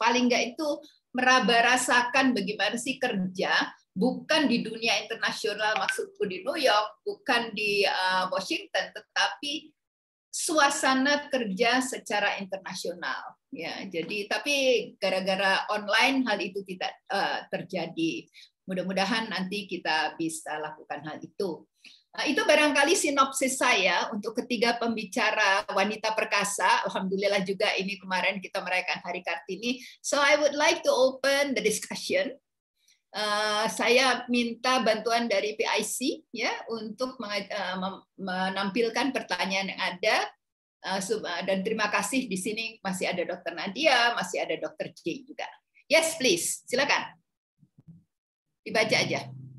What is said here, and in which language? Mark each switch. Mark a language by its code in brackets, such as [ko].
[id] Paling enggak itu meraba rasakan bagaimana sih kerja, bukan di dunia internasional, maksudku di New York, bukan di Washington, tetapi suasana kerja secara internasional. Ya, jadi tapi gara-gara online hal itu tidak terjadi. Mudah-mudahan nanti kita bisa lakukan hal itu. Nah, itu barangkali sinopsis saya untuk ketiga pembicara wanita perkasa. Alhamdulillah juga ini kemarin kita merayakan Hari Kartini. [en] So I would like to open the discussion. [id] Saya minta bantuan dari PIC ya untuk menampilkan pertanyaan yang ada. Dan terima kasih di sini masih ada Dr. Nadia, masih ada Dr. J juga. [en] Yes, please. [id] Silakan. Dibaca aja.